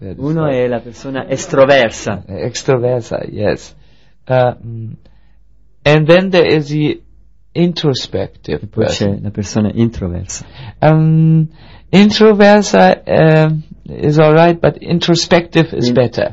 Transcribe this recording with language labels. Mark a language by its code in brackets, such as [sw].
[it] Uno è la persona estroversa. Extroversa, yes. [en] And then there is the introspective. [it] E poi c'è la persona introversa. [en] Introversa is alright, but introspective is better.